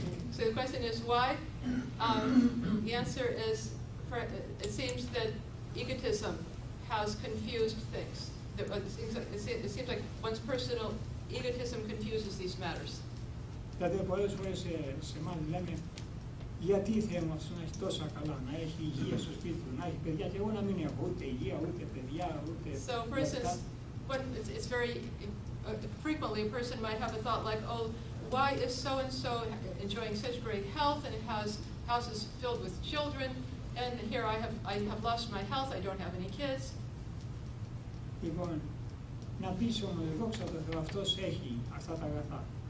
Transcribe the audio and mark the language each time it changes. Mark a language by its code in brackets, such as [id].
[en] So the question is why? The answer is, it seems that egotism has confused things. It seems like one's personal egotism confuses these matters. [el] Δηλαδή, πολλές φορές σε εμάς λέμε, γιατί θέλουμε αυτό να έχει τόσα καλά, να έχει υγεία στο σπίτι του, να έχει παιδιά, και εγώ να μην έχω ούτε υγεία, ούτε παιδιά, ούτε. [en] So, for instance, when it's very frequently a person might have a thought like, oh, why is so and so enjoying such great health and it has houses filled with children, and here I have lost my health, I don't have any kids. [el] Λοιπόν, να πεις όμως, δόξα τω Θεώ, αυτός έχει αυτά τα αγαθά.